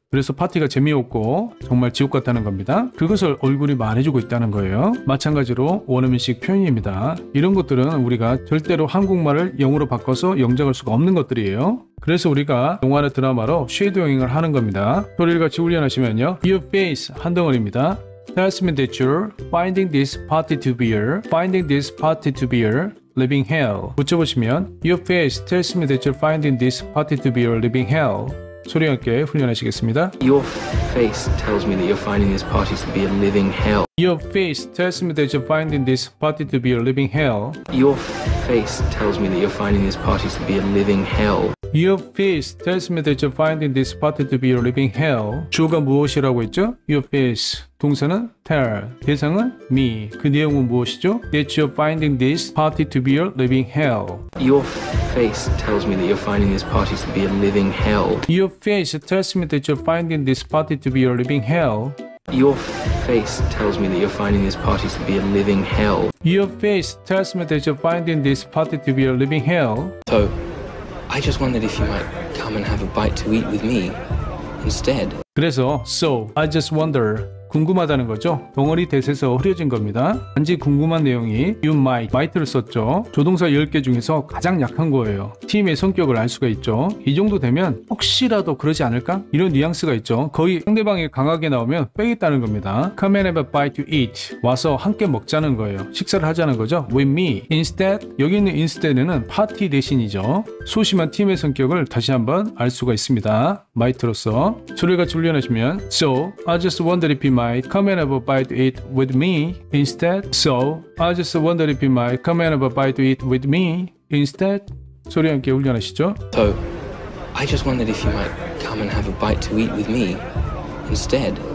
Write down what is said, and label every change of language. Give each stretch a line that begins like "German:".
Korean: 그래서 파티가 재미없고 정말 지옥 같다는 겁니다. 그것을 얼굴이 말해주고 있다는 거예요. 마찬가지로 원어민식 표현입니다. 이런 것들은 우리가 절대로 한국말을 영어로 바꿔서 영작할 수가 없는 것들이에요. 그래서 우리가 영화나 드라마로 쉐도잉을 하는 겁니다. 소리를 같이 훈련하시면요.
English: Your face
Korean: 한 덩어리입니다.
English: Tells me that you're finding this party to be your finding this party to be your living hell.
Korean: 붙여보시면
English: Your face tells me that you're finding this party to be your living hell.
Korean: 소리 함께 훈련하시겠습니다.
English: Your face tells me that you're finding this party to be a living hell. Your face tells me that you're finding this party to be a living hell. Your face tells me that you're finding this party to be a living hell. Your face tells me that you're finding this party to be a living hell.
Korean: 주어가 무엇이라고 했죠?
English: Your face. 동사는 tell. 대상은 me.
Korean: 그 내용은 무엇이죠?
English: That you're finding this party to be a living hell. Your face tells me that you're finding this party to be a living hell. Your face tells me that you're finding this party to be a living hell. Your face tells me that you're finding this party to be a living hell. Your face tells me that you're finding this party to be a living hell. So, I just wondered if you might come and have a bite to eat with me instead.
Korean: 그래서,
English: so, I just wonder.
Korean: 궁금하다는 거죠. 덩어리 대세에서 흐려진 겁니다. 단지 궁금한 내용이
English: you might
Korean: 를 썼죠. 조동사 10개 중에서 가장 약한 거예요. 팀의 성격을 알 수가 있죠. 이 정도 되면 혹시라도 그러지 않을까? 이런 뉘앙스가 있죠. 거의 상대방이 강하게 나오면 빼겠다는 겁니다.
English: Come and have a bite to eat.
Korean: 와서 함께 먹자는 거예요. 식사를 하자는 거죠.
English: With me. Instead.
Korean: 여기 있는 instead는 파티 대신이죠. 소심한 팀의 성격을 다시 한번 알 수가 있습니다. might로서. 소리를 같이 훈련하시면
English: So, I just wonder if you might come and have a bite to eat with me instead. So, I just wonder if you might come and have a bite to eat with me instead.
Korean: 소리 함께 훈련하시죠.
English: So, I just wondered if you might come and have a bite to eat with me instead.